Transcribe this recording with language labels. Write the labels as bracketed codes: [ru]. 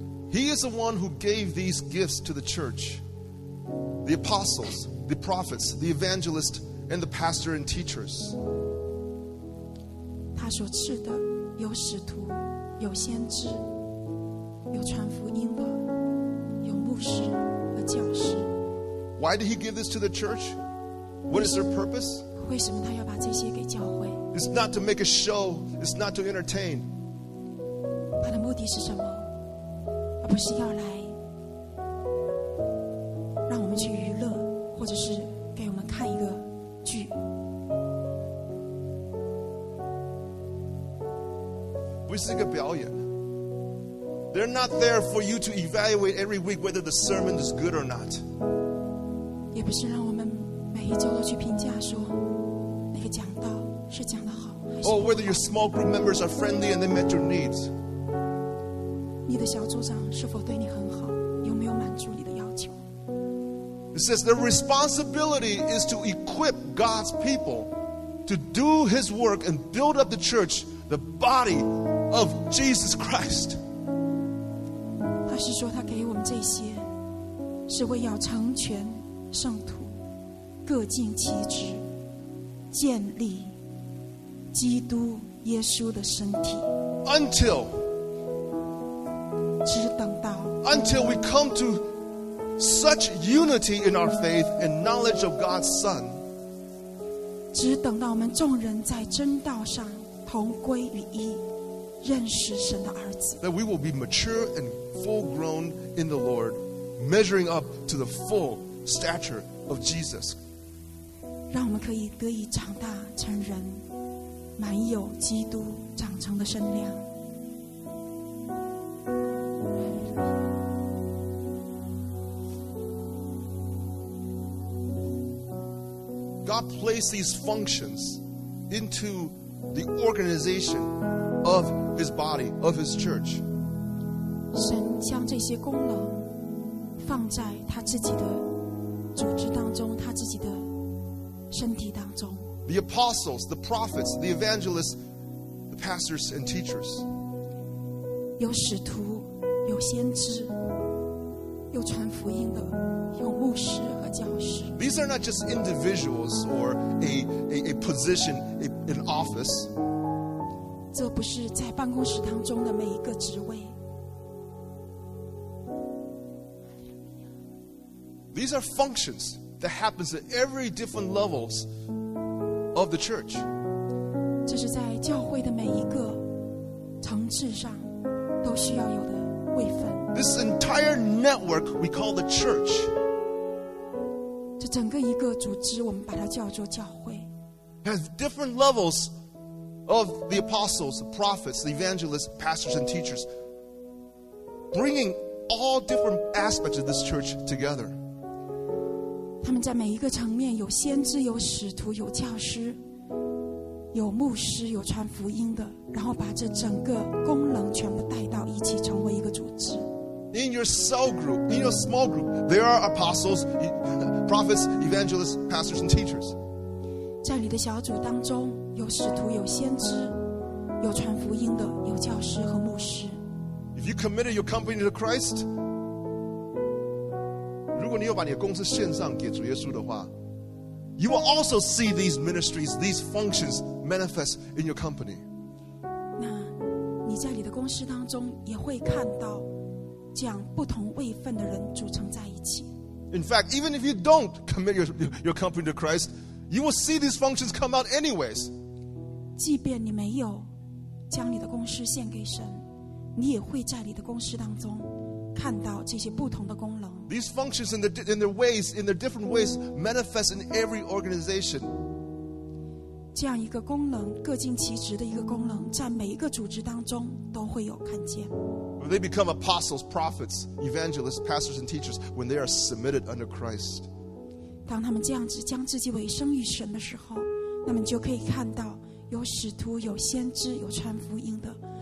[en] He is the one who gave these gifts to the church, the apostles, the prophets, the evangelists, and the pastors and teachers. [zh] 他所赐的有使徒，有先知，有传福音的，有牧师和教师。 [en] Why did he give this to the church? What is their purpose? [zh] 为什么他要把这些给教会？ [en] It's not to make a show. It's not to entertain. [zh] 他的目的是什么？而不是要来让我们去娱乐，或者是给我们看一个剧。不是一个表演。 [en] They're not there for you to evaluate every week whether the sermon is good or not. [zh] 也不是让我们每一周都去评价说那个讲道是讲得好。 [en] Oh, whether your small group members are friendly and they met your needs. [zh] 你的小组长是否对你很好，有没有满足你的要求？ [en] It says the responsibility is to equip God's people to do His work and build up the church, the body of Jesus Christ. [zh] 他是说他给我们这些，是为要成全圣徒，各尽其职，建立基督耶稣的身体。 [en] Until, [zh] 只等到 [en] until we come to such unity in our faith and knowledge of God's Son. [zh] 只等到我们众人在真道上同归于一，认识神的儿子。 [en] That we will be mature and full grown in the Lord, measuring up to the full stature of Jesus. [zh] 让我们可以得以长大成人。满有基督长成的身量。 [en] God placed these functions into the organization of His body, of His church. [zh] 神将这些功能放在他自己的组织当中，他自己的身体当中。 [en] The apostles, the prophets, the evangelists, the pastors and teachers. [zh] 有使徒，有先知，有传福音的，有牧师和教师。 [en] These are not just individuals or a position, an office. [zh] 这不是在办公室当中的每一个职位。 [en] These are functions that happens at every different levels. Of the church. [zh] 这是在教会的每一个层次上都需要有的位分。 [en] This entire network we call the church. [zh] 这整个一个组织我们把它叫做教会。 [en] Has different levels of the apostles, the prophets, the evangelists, pastors and teachers, bringing all different aspects of this church together. [zh] 他们在每一个层面有先知，有使徒，有教师，有牧师，有传福音的，然后把这整个功能全部带到一起，成为一个组织。 [en] In your cell group, in your small group, there are apostles, prophets, evangelists, pastors, and teachers. [zh] 在你的小组当中，有使徒，有先知，有传福音的，有教师和牧师。 [en] If you committed your company to Christ. [zh] 如果你有把你的公司献上给主耶稣的话 [en] You will also see these ministries, these functions manifest in your company. [zh] 那你在你的公司当中也会看到这样不同位分的人组成在一起。 [en] In fact, even if you don't commit your company to Christ, You will see these functions come out anyways. [zh] 即便你没有将你的公事献给神，你也会在你的公事当中看到这些不同的功能。 [en] These functions in their different ways manifest in every organization. [zh] 这样一个功能，各尽其职的一个功能，在每一个组织当中都会有看见。 [en] They become apostles, prophets, evangelists, pastors, and teachers when they are submitted under Christ. [zh] 当他们这样子将自己委身于神的时候，那么就可以看到有使徒、有先知、有传福音的。